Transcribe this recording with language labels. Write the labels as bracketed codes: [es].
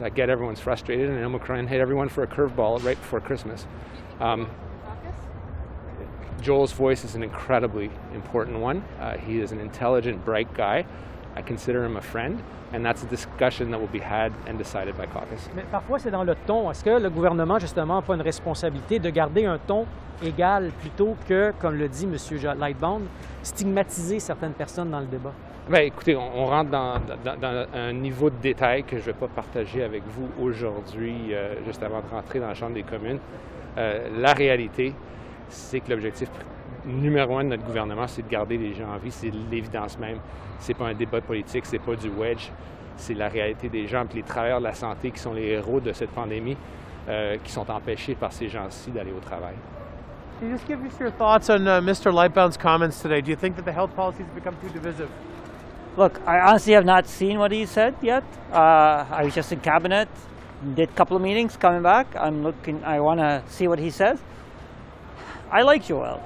[en] I get everyone's frustrated, and Omicron hit everyone for a curveball right before Christmas. Joel's voice is an incredibly important one. He is an intelligent, bright guy. I consider him a friend, and that's a discussion that will be had and decided by caucus. [fr] Mais parfois c'est dans le ton. Est-ce que le gouvernement justement a une responsabilité de garder un ton égal plutôt que, comme le dit Monsieur Lightbound, stigmatiser certaines personnes dans le débat? Ben écoutez, on rentre dans un niveau de détail que je vais pas partager avec vous aujourd'hui, juste avant de rentrer dans la Chambre des communes. La réalité, c'est que l'objectif numéro un de notre gouvernement, c'est de garder les gens en vie. C'est l'évidence même. C'est pas un débat politique, c'est pas du wedge. C'est la réalité des gens. Puis les travailleurs de la santé qui sont les héros de cette pandémie, qui sont empêchés par ces gens-ci d'aller au travail. [en] Can you just give us your thoughts on Mr. Lightbound's comments today? Do you think that the health policy has become too divisive? Look, I honestly have not seen what he said yet. I was just in cabinet, did a couple of meetings, coming back. I want to see what he says. I like Joel.